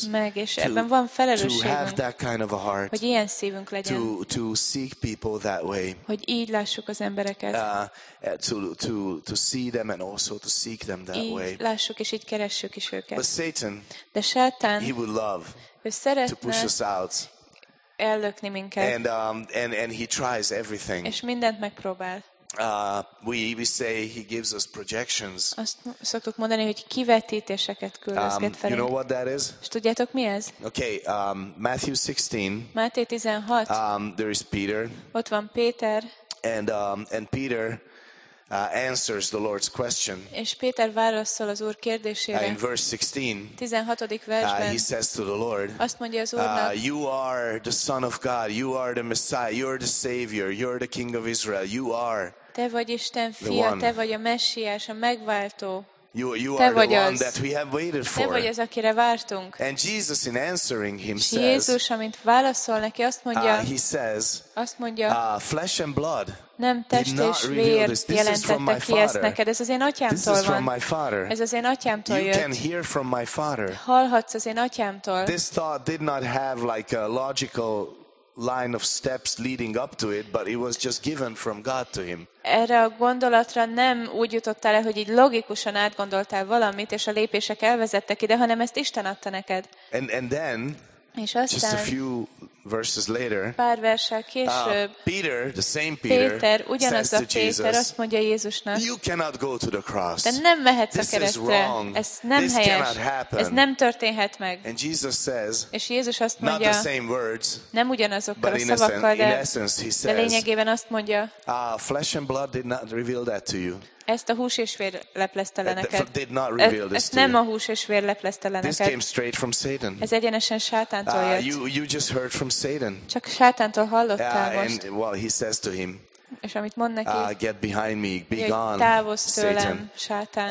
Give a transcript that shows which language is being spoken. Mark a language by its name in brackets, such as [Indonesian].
[Hungarian] Meg, és ebben van felelősségünk. [English] To have that kind of a heart. [Hungarian] Hogy ilyen szívünk legyen. [English] To seek people that way. [Hungarian] Hogy így lássuk az embereket. [English] To see them and also to seek them that [Hungarian] így [English] way. [Hungarian] Így lássuk és így keressük is őket. [English] But Satan. [Hungarian] De Sátán. [English] He would love. [Hungarian] Ő szeretne. [English] To push us out. [Hungarian] Ellökni minket. [English] And he tries everything. [Hungarian] És mindent megpróbál. [English] We say he gives us projections. [Hungarian] Azt szoktuk mondani, hogy kivetítéseket küldözget felénk. [English] You know what that is? [Hungarian] És tudjátok mi ez? [English] Okay, Matthew 16. [Hungarian] Máté 16. [English] There is Peter. [Hungarian] Ott van Péter. [English] And Peter answers the Lord's question. [Hungarian] És Péter válaszol az Úr kérdésére. [English] In verse 16. [Hungarian] 16. versben. [English] He says to the Lord. [Hungarian] Azt mondja az Úrnak. [English] You are the Son of God. You are the Messiah. You are the Savior. You are the King of Israel. You are. [Hungarian] Te vagy Isten fia, te vagy a Messiás, a megváltó. [English] You are the one that we have waited for. [Hungarian] Te vagy az, akire vártunk. [English] And Jesus, in answering him, says. [Hungarian] Jézus, amint válaszol neki, azt mondja. [English] He says. [Hungarian] Azt mondja. [English] Flesh and blood. [Hungarian] Nem test és vér jelentette ki ezt neked. Ez az én atyámtól van. Ez az én atyámtól jött. [English] You can hear from my father. [Hungarian] Hallhatsz az én atyámtól. [English] This thought did not have like a logical line of steps leading up to it, but it was just given from God to him. [Hungarian] Erre a gondolatra nem úgy jutottál el, hogy így logikusan átgondoltál valamit, és a lépések elvezettek ide, hanem ezt Isten adta neked. [English] And then, [Hungarian] és aztán, [English] just a few verses later, [Hungarian] pár verssel később, [English] Peter, the same Peter [Hungarian] ugyanaz [English] says [Hungarian] a Péter, azt mondja Jézusnak, [English] you cannot go to the cross. [Hungarian] De nem mehetsz a keresztre. Ez nem helyes. Ez nem történhet meg. [English] And Jesus says, [Hungarian] és Jézus azt mondja, [English] not the same words, [Hungarian] nem ugyanazokkal a szavakkal, de, [English] essence, says, [Hungarian] de lényegében azt mondja, [English] flesh and blood did not reveal that to you. [Hungarian] Ezt a hús és vér leplezte le neked. [English] Did not reveal this to you. [Hungarian] Nem a hús és vér leplezte le neked. [English] This came straight from Satan. [Hungarian] Ez egyenesen Sátántól jött. [English] You just heard from Satan. [Hungarian] Csak Sátántól hallottál most. [English] And well, he says to him, [Hungarian] és amit mond neki, [English] get behind me, be gone, [Hungarian] távozz tőlem, Sátán.